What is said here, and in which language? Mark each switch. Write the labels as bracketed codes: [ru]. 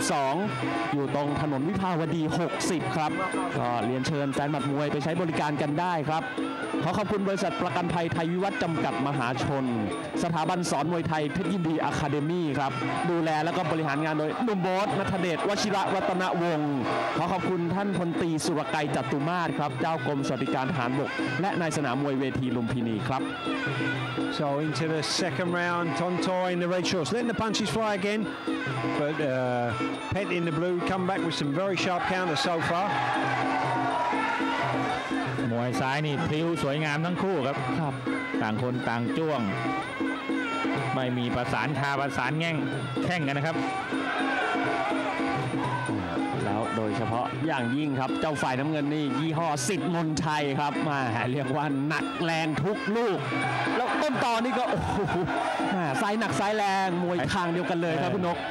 [th] 22อยู่ตรงถนนวิภาวดี60ครับก็เรียนเชิญแฟนหมัดมวยไปใช้บริการกันได้ครับขอขอบคุณบริษัทประกันภัยไทยวิวัฒน์จำกัดมหาชนสถาบันสอนมวยไทยเพชรยินดีอะคาเดมี่ครับดูแลแล้วก็บริหารงานโดยหนุ่มบอสณัฐเดชวชิระรัตนวงศ์ขอขอบคุณท่านพลตรีสุรไกรจตุมาศครับเจ้ากรมสวัสดิการทหารบกและนายสนามมวยเวทีลุมพินีครับ [en] So into the second round Tontor in the red shorts letting the punches fly again but Pet in the blue come back with some very sharp counter so far [th] มวยซ้ายนี่พริ้วสวยงามทั้งคู่ครับ ครับ ต่างคนต่างจ้วงไม่มีประสานทาประสานแง่งแข่งกันนะครับ แล้วโดยเฉพาะอย่างยิ่งครับเจ้าฝ่ายน้ำเงินนี่ยี่ห้อสิทธิ์มนชัยครับมาเรียกว่าหนักแรงทุกลูกแล้วต้นตอนนี่ก็โอ้โหสายหนักสายแรงมวยทางเดียวกันเลยครับพี่นก